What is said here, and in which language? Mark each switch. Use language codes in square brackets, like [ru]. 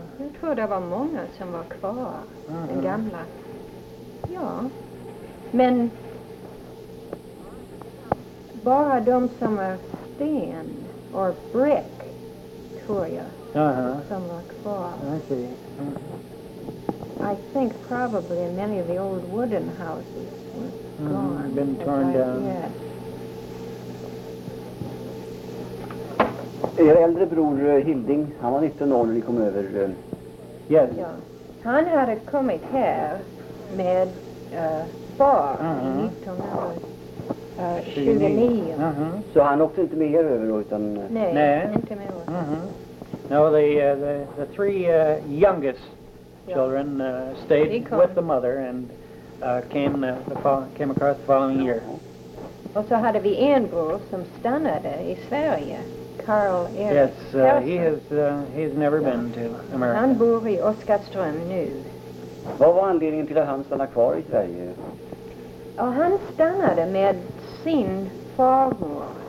[sv] Jag tror det var många som var kvar, uh-huh. den gamla. Ja, men... Bara de som är sten [en] or brick, [sv] tror jag, uh-huh. som var kvar. [en] I see. Uh-huh. I think probably many of the old wooden houses were mm-hmm. gone. Been torn down. Yes. [sv] Er äldre bror Hilding, han var 19 år när ni kom över. [en] Yes. [sv] Ja. Han hade kommit här med far uh-huh. 19 år. 29. Uh-huh. Så han åkte inte med er över då utan... Nej, inte med oss. Uh-huh. [en] No, the three youngest children stayed with the mother and came across the following year. [sv] Och så hade vi en bror som stannade i Sverige, Carl Erik. [en] Yes, he has never been to America. [sv] Han bor i Oskarström nu. Vad var anledningen till att han stannade kvar i Sverige? Och han stannade med sin farmor.